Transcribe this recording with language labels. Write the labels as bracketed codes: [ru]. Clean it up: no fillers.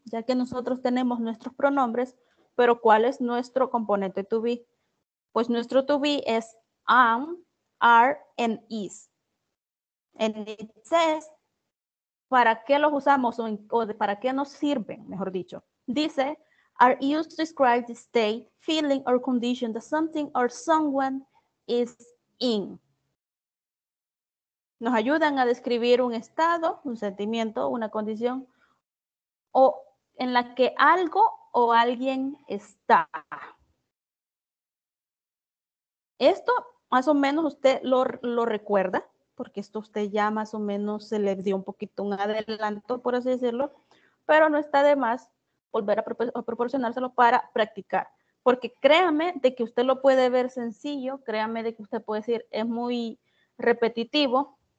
[es] Ya que nosotros tenemos nuestros pronombres, pero ¿cuál es nuestro componente to be? Pues, nuestro to be es am, are, and is. [en] And it says, [es] ¿para qué los usamos o de, para qué nos sirven, mejor dicho? [en] Dice, are used to describe the state, feeling, or condition that something or someone is in. [es] Nos ayudan a describir un estado, un sentimiento, una condición, o en la que algo o alguien está. Esto más o menos usted lo recuerda, porque esto usted ya más o menos se le dio un poquito un adelanto, por así decirlo, pero no está de más volver a proporcionárselo para practicar, porque créame de que usted lo puede ver sencillo, créame de que usted puede decir es muy repetitivo,